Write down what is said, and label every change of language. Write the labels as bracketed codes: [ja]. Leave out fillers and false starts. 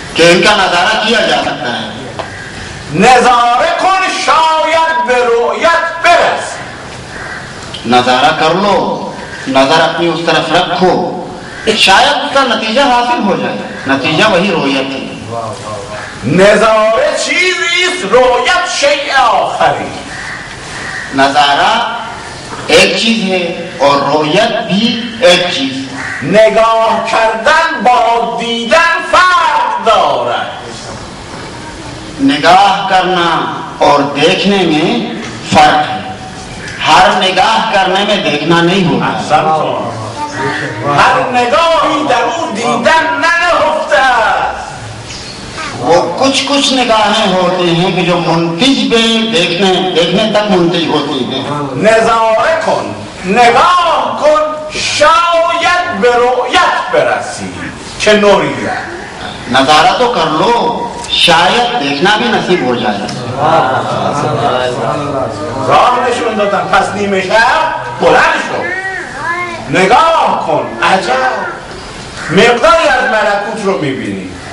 [ur] ان کا نظارہ کیا جا سکتا ہے؟ [fa] نظارہ کن شاید به رؤیت برس. [ur] نظارہ کر لو، نظر اپنی اس طرف رکھو، شاید اس کا نتیجہ حاصل ہو جائے. نتیجہ وہی رؤیت ہے. [fa] نظارہ چیزی است، رؤیت شیء آخری. [ur] نظارہ ایک چیز ہے اور رؤیت بھی ایک چیز. [fa] نگاه کردن با دیدن فرق دارد. [ur] نگاه کرنا اور دیکھنے میں فرق ہے. ہر نگاہ کرنے میں دیکھنا نہیں ہوتا. [fa] ہر نگاہی در او دیدن ننہفتا. [ur] وہ کچھ کچھ نگاہیں ہوتی ہیں کہ جو منتج بھی دیکھنے تک منتج ہوتی ہیں. [fa] نظارہ کن، نگاہ کن، شاید به رؤیت برسی. چه نوری ہے؟ [ur] نظارہ تو کر لو، شاید دیکھنا بھی نصیب ہو جائے. [fa] راہ نشون دادن، پس نیمه شب بلند شو، نگاه کن، عجب مقداری از ملکوت رو میبینی.